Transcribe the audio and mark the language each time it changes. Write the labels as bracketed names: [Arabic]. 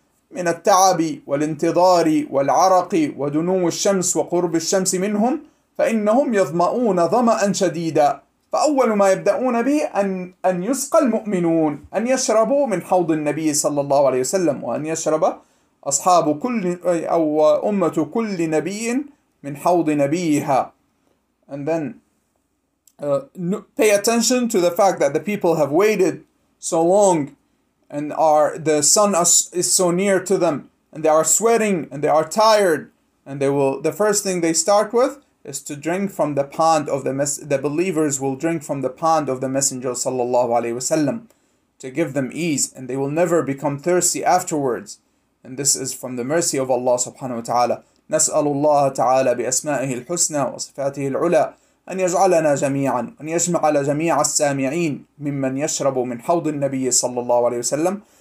[Arabic] من التعب والانتظار والعرق ودنو الشمس وقرب الشمس منهم، فإنهم يظمؤون ظمأ شديدا، فأول ما يبدأون به أن يسقى المؤمنون، أن يشربوا من حوض النبي صلى الله عليه وسلم، وأن يشرب أصحاب كل أو أمة كل نبي من حوض نبيها. [English] And then pay attention to the fact that the people have waited so long and are the sun is so near to them and they are sweating and they are tired, and they will, the first thing they start with is to drink from the pond of the believers will drink from the pond of the Messenger sallallahu alaihi wasallam to give them ease, and they will never become thirsty afterwards. And this is from the mercy of Allah subhanahu wa ta'ala. [Arabic] نسأل الله تعالى بأسمائه الحسنى وصفاته العلى أن يجعلنا جميعا أن يجمع على جميع السامعين ممن يشرب من حوض النبي صلى الله عليه وسلم.